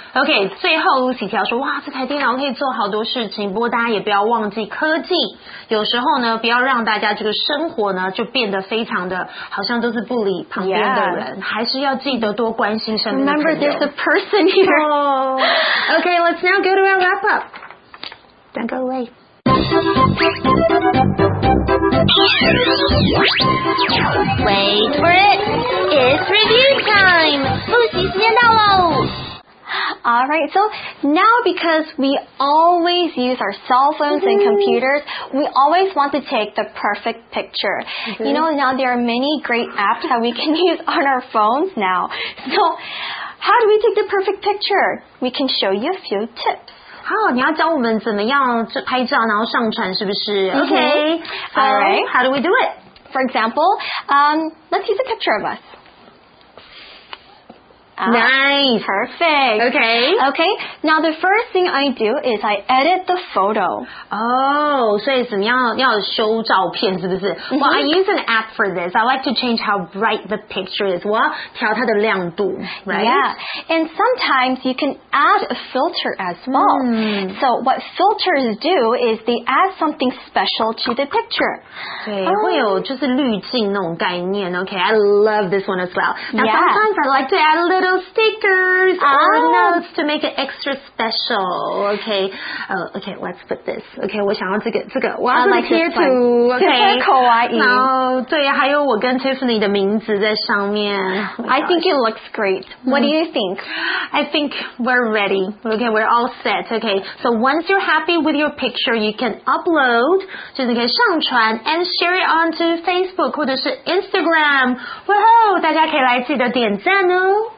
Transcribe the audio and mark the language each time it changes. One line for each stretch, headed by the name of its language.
Chinese: Okay, 最后 Lucy 提到说哇这台电脑可以做好多事情不过大家也不要忘记科技有时候呢不要让大家这个生活呢就变得非常的好像都是不理旁边的人、还是要记得多关心身边的朋友
English: Remember, there's a person here.、 Oh. Okay, let's now go to our wrap up. Don't go away. Wait for it. It's review time.
Chinese: 复习时间到喽。
English: Alright, so now because we always use our cell phones、mm-hmm. and computers, we always want to take the perfect picture.、Mm-hmm. You know, now there are many great apps that we can use on our phones now. So, how do we take the perfect picture? We can show you a few tips.
Chinese: 好，你要教我们怎么样拍照，然后上传，是不是
English: ？OK, all right. How do we do it? For example, let's use a picture of us. Nice, perfect. Okay. Okay. Now the first thing I do is I edit the photo.
Chinese: Oh, 所以怎么样要修照片，是不是、mm-hmm.
English: ？Well, I use an app for this. I like to change how bright the picture is.
Chinese: 我要调它的亮度 ，right?
English: Yeah. And sometimes you can add a filter as well.、 Mm. So what filters do is they add something special to the picture.
Chinese: 对， oh. 会有就是滤镜那种概念。
English: Okay, I love this one as well. Now、 yeah. sometimes I like to add little stickers、 oh. or notes to make it extra special. Okay,、okay, let's put this.
Chinese: Okay, 我想要这个，这个，我要这个贴图。Okay, 很可爱。然后，对，还有我跟 Tiffany 的名字在上面。
English: I think it looks great. What do you think? I think we're ready. Okay, we're all set. Okay, so once you're happy with your picture, you can upload,
Chinese: 就是你可以上传
English: and share it onto Facebook
Chinese: 或者是
English: Instagram.
Chinese: 哇哦，大家可以来记得点赞哦。